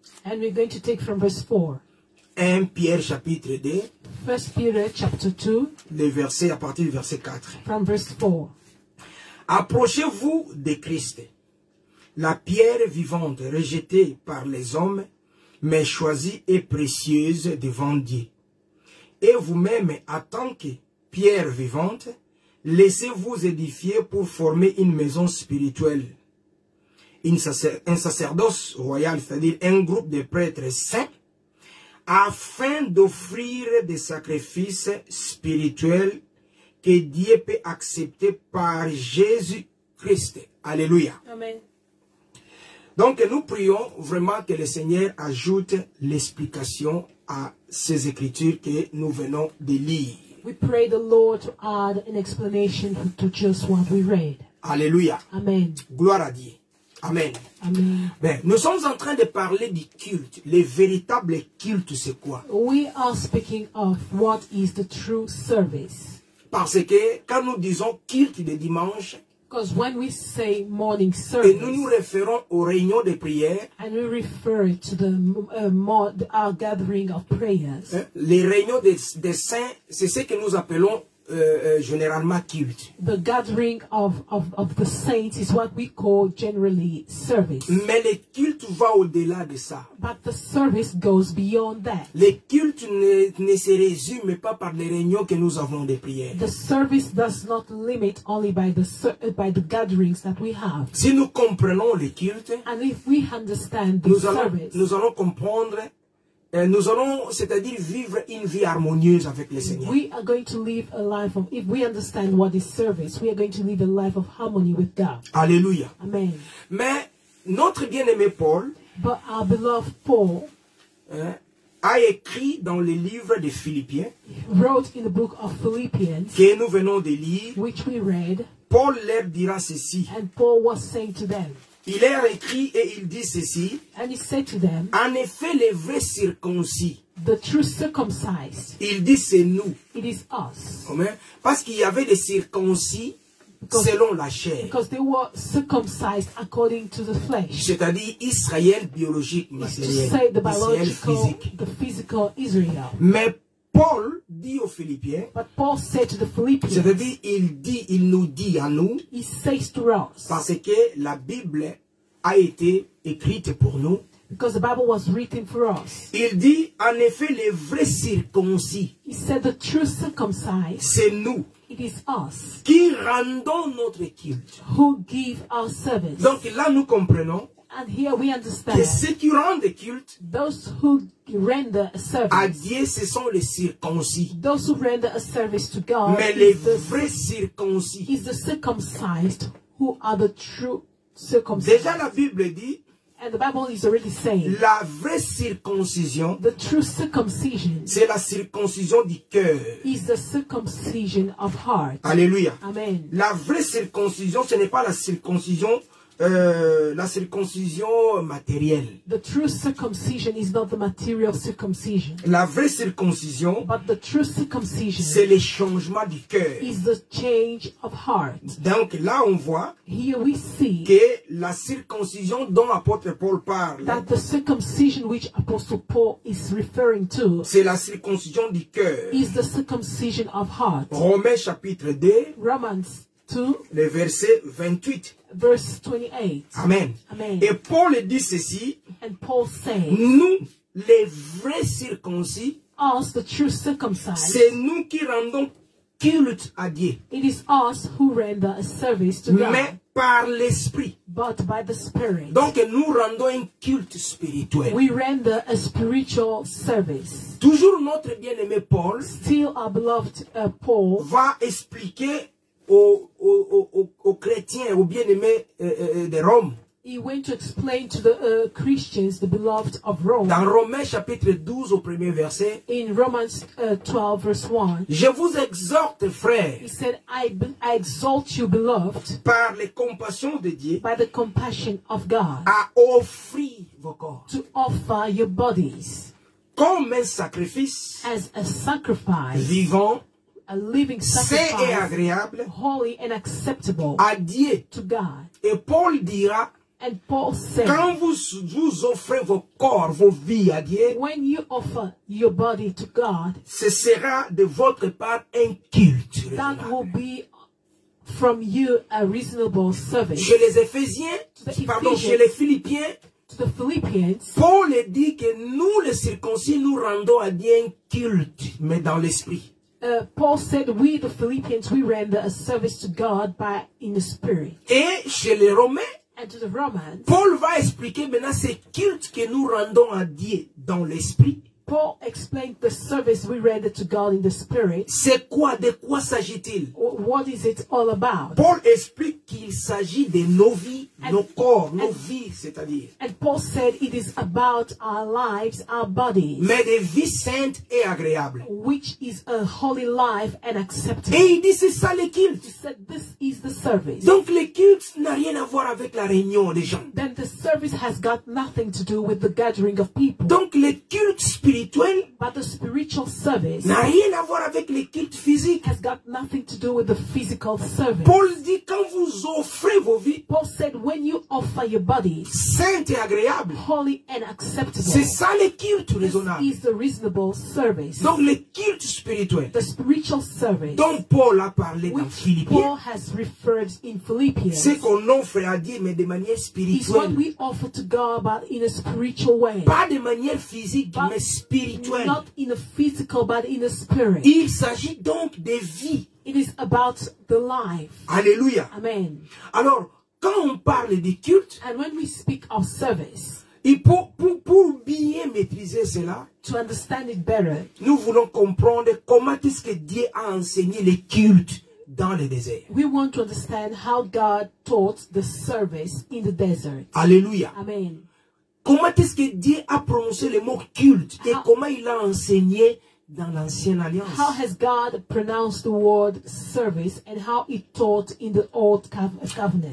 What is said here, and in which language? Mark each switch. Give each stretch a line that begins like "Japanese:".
English: And we're going to take from verse 4.
French: 1 Pierre chapitre 2.
English: 1 Peter chapter 2.
French: Les versets à partir du verset 4.
English: From verse 4.
French: Approchez-vous de Christ, la pierre vivante rejetée par les hommes, mais choisie et précieuse devant Dieu. Et vous-même, en tant que pierre vivante, laissez-vous édifier pour former une maison spirituelle, un sacerdoce royal, c'est-à-dire un groupe de prêtres saints, afin d'offrir des sacrifices spirituels que Dieu peut accepter par Jésus-Christ. Alléluia. Amen. Donc, nous prions vraiment que le Seigneur ajoute l'explication à ces écritures que nous venons de lire.
English: We pray the Lord to add an explanation to just what we read.
French: Alléluia. Amen. Gloire à Dieu. Amen. Amen. Ben, nous sommes en train de parler du culte. Le véritable culte, c'est quoi?
English: We are speaking of what is the true service.
French: Parce que quand nous disons culte de dimanche,
English: because when we say morning service,
French: et nous nous référons aux réunions de prière,
English: and we refer to the our gathering of prayers,
French: les réunions des saints, c'est ce que nous appelons généralement culte.
English: The gathering of the saints is what we call generally service.
French: Mais le culte va au-delà de ça.
English: But the service goes beyond that.
French: Le culte ne se résume pas par les réunions que nous avons de prière.
English: The service does not limit only by the gatherings that we have.
French: Si nous comprenons le culte,
English: and if we understand the service,
French: nous allons comprendre. Nous allons, c'est-à-dire, vivre une vie harmonieuse avec le Seigneur.
English: We are going to live a life of, if we understand what is service, we are going to live a life of harmony with God.
French: Alléluia. Amen. Mais notre bien-aimé Paul,
English: but our beloved Paul,
French: a écrit dans le livre des Philippiens,
English: wrote in the book of Philippians,
French: que nous venons de lire,
English: which we read,
French: Paul leur dira ceci,
English: and Paul was saying to them,
French: il a écrit et il dit ceci.
English: And he said to them,
French: en effet, les vrais circoncis.
English: The true circumcised.
French: Il dit c'est nous.
English: It is us. Amen.
French: Parce qu'il y avait des circoncis
English: because,
French: selon la chair.
English: Because they were circumcised according to the flesh.
French: C'est-à-dire Israël biologique, matériel.
English: To say the biological, physique. The physical Israel.
French: Mais Paul dit aux Philippiens.
English: But Paul said to the Philippians.
French: C'est-à-dire, il nous dit à nous.
English: He says to us.
French: Parce que la Bible a été écrite pour nous.
English: Because the Bible was written for us.
French: Il dit, en effet, les vrais circoncis.
English: He said the true circumcised.
French: C'est nous.
English: It is us.
French: Qui rendons notre culte.
English: Who give our service.
French: Donc là, nous comprenons.
English: And here we understand.
French: Et ceux qui rendent le culte.
English: Those who render a service.
French: À Dieu, ce sont les circoncis.
English: Those who render a service to God.
French: Mais les vrais circoncis.
English: Is the circumcised who are the true circumcised.
French: Déjà la Bible dit.
English: And the Bible is already saying.
French: La vraie circoncision.
English: The true circumcision.
French: C'est la circoncision du cœur.
English: Is the circumcision of heart.
French: Alléluia. Amen. La vraie circoncision, ce n'est pas la circoncision. La circoncision matérielle.
English: The true circumcision is not the material circumcision.
French: La vraie circoncision.
English: But the true circumcision.
French: C'est le changement du cœur.
English: Is the change of heart.
French: Donc là on voit.
English: Here we see.
French: Que la circoncision dont l'apôtre Paul parle.
English: That the circumcision which Apostle Paul is referring to.
French: C'est la circoncision du cœur.
English: Is the circumcision of heart.
French: Romains chapitre 2.
English: Romans.
French: le verset 28.
English: Verse 28. Amen. Amen.
French: Et Paul dit ceci.
English: And Paul says,
French: nous, les vrais circoncis,
English: us, the true circumcised,
French: c'est nous qui rendons culte à Dieu.
English: It is us who render a service to God.
French: Mais par l'esprit.
English: But by the spirit.
French: Donc nous rendons un culte spirituel.
English: We render a spiritual service.
French: Toujours notre bien-aimé Paul,
English: still our beloved Paul,
French: va expliquer aux chrétiens, aux bien-aimés de Rome.
English: He went to explain to the Christians, the beloved of Rome.
French: Dans Romains chapitre 12 au premier verset.
English: In Romans 12 verse 1.
French: Je vous exhorte, frère.
English: He said, I exhort you, beloved.
French: Par les compassions de Dieu.
English: By the compassion of God.
French: À offrir vos corps.
English: To offer your bodies.
French: Comme un sacrifice.
English: As a sacrifice.
French: Vivant.
English: A living sacrifice.
French: C'est agréable.
English: Holy and acceptable.
French: À Dieu.
English: To God.
French: Et Paul dira.
English: And Paul said,
French: quand vous offrez vos corps, vos vies à Dieu,
English: when you offer your body to God,
French: ce sera de votre part un culte.
English: That will be from you a reasonable service.
French: Chez les Éphésiens, chez les Philippiens,
English: to the Philippians,
French: Paul dit que nous, les circoncis, nous rendons à Dieu un culte, mais dans l'esprit.
English: Paul said, we, the Philippians, we render a service to God by in the spirit.
French: Et chez les Romains,
English: and to the Romans,
French: Paul va expliquer maintenant ces cultes que nous rendons à Dieu dans l'esprit.
English: Paul explained the service we render to God in the spirit.
French: C'est quoi, de quoi s'agit-il?
English: What is it all about?
French: Paul explique qu'il s'agit de nos vies, and, nos corps, nos vies, c'est-à-dire.
English: And Paul said it is about our lives, our bodies.
French: Mais des vies saintes et agréables.
English: Which is a holy life and acceptable.
French: Et il dit c'est ça les cultes.
English: He said this is the service.
French: Donc les cultes n'ont rien à voir avec la réunion des gens.
English: Then the service has got nothing to do with the gathering of people.
French: Donc les cultes spirituel,
English: but the spiritual service
French: n'a rien à voir avec les cultes physiques.
English: Has got nothing to do with the physical service.
French: Paul dit quand vous offrez vos vies,
English: Paul said when you offer your body,
French: saint et agréable,
English: holy and acceptable,
French: c'est ça les cultes raisonnables.
English: This is the reasonable service.
French: Donc les cultes spirituels,
English: the spiritual service,
French: dont Paul a parlé dans Philippiens,
English: Paul has referred in Philippians,
French: c'est qu'on offre à Dieu mais de manière spirituelle.
English: Is what we offer to God but in a spiritual way.
French: Pas de manière physique, but mais spirituel.
English: Not in a physical, but in a spirit.
French: Il s'agit donc de vie.
English: It is about the life.
French: Alléluia. Amen. Alors, quand on parle de culte,
English: and when we speak of service,
French: et pour bien maîtriser cela,
English: to understand it better,
French: nous voulons comprendre comment est-ce que Dieu a enseigné les cultes dans le désert.
English: We want to understand how God taught the service in the desert.
French: Alléluia. Amen. Comment est-ce que Dieu a prononcé le mot culte et comment il a enseigné dans l'ancienne alliance?
English: How has God pronounced the word service and how he taught in the old covenant?